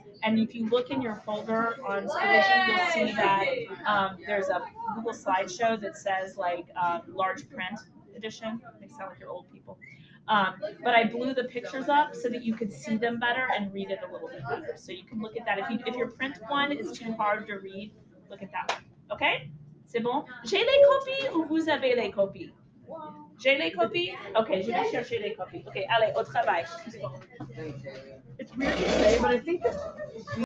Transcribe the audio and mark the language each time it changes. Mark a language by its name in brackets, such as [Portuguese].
[English] And if you look in your folder on Schoology, you'll see that there's a Google slideshow that says, like, large print edition. They sound like you're old people. But I blew the pictures up so that you could see them better and read it a little bit better. So you can look at that. If your print one is too hard to read, look at that one. Okay? [French] C'est bon? J'ai les copies ou vous avez les copies? J'ai les copies? Okay, je vais chercher les copies. Okay, allez, au travail. C'est bon. [English] It's weird to say, but I think that...